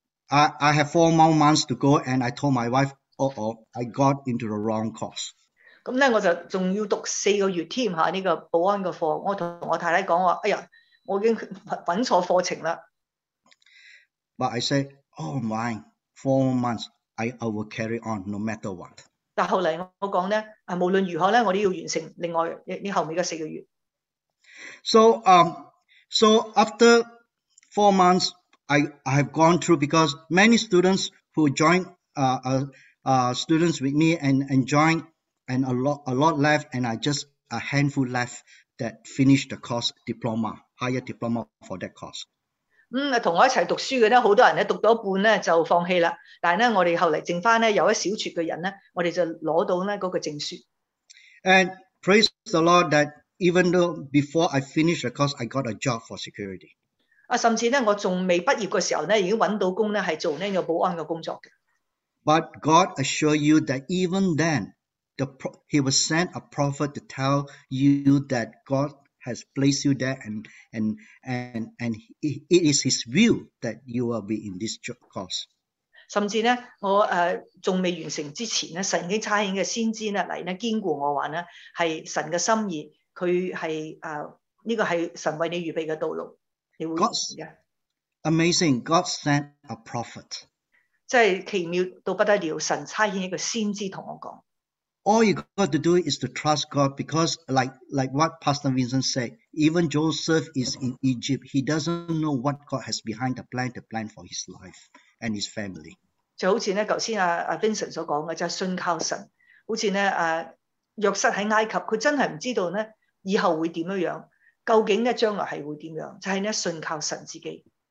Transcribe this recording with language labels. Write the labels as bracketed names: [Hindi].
[English] I have 4 more months to go, and I told my wife, I got into the wrong course. [Cantonese] 咁咧，我就仲要讀4个月添嚇呢個保安嘅課。我同我太太講話，哎呀，我已經揾錯課程啦。 [English] But I say, oh my, 4 months, I will carry on no matter what. [Cantonese] 但後來我講咧，啊，無論如何咧，我都要完成另外呢後面嘅4个月。 [English] So after 4 months, I have gone through because many students who join students with me and join and a lot left, and I just a handful left that finished the course diploma, higher diploma for that course. [Cantonese] 同我一起讀書嘅咧，好多人咧讀到一半咧就放棄啦。但係咧，我哋後嚟剩翻咧有一小撮嘅人咧，我哋就攞到咧嗰個證書。 [English] And praise the Lord that even though before I finished the course, I got a job for security. [Cantonese] 甚至咧，我仲未畢業嘅時候咧，已經揾到工咧，係做呢個保安嘅工作嘅。 [English] But God assure you that even then, He will send a prophet to tell you that God has placed you there, and it is his will that you will be in this course. [Cantonese] 甚至咧，我仲未完成之前咧，神已经差遣嘅先知咧嚟咧坚固我话咧，系神嘅心意，佢系呢个系神为你预备嘅道路，你会 [English] 嘅。Amazing! God sent a prophet. [Cantonese] 真系奇妙到不得了，神差遣一个先知同我讲。 [English] All you got to do is to trust God because like what Pastor Vincent said, even Joseph is in Egypt. He doesn't know what God has behind the plan for his life and his family. [Cantonese] 就好似咧，頭先阿 Vincent 所講嘅，就係信靠神。好似咧，約瑟喺埃及，佢真係唔知道咧以後會點樣樣，究竟咧將來係會點樣，就係咧信靠神自己。